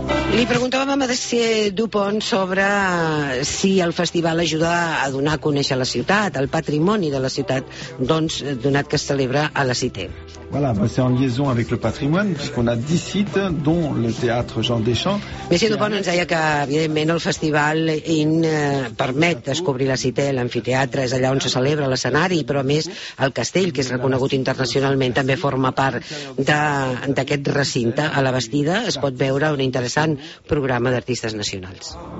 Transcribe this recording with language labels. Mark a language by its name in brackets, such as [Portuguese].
[Catalan] Li preguntàvem a Mercè Dupont sobre si el festival ajuda a donar a conèixer la ciutat, el patrimoni de la ciutat, doncs, donat que es celebra a la Cité. [French] Voilà, bah c'est en liaison avec le patrimoine, puisqu'on a 10 sites, dont le théâtre Jean Deschamps. [Catalan] Mercè Dupont ens deia que, evidentment, el festival IN permet descobrir la Cité, l'amfiteatre, és allà on se celebra l'escenari, però a més el castell, que és reconegut internacionalment, també forma part d'aquest recinte. A la Bastida es pot veure un interessant programa d'artistes nacionals.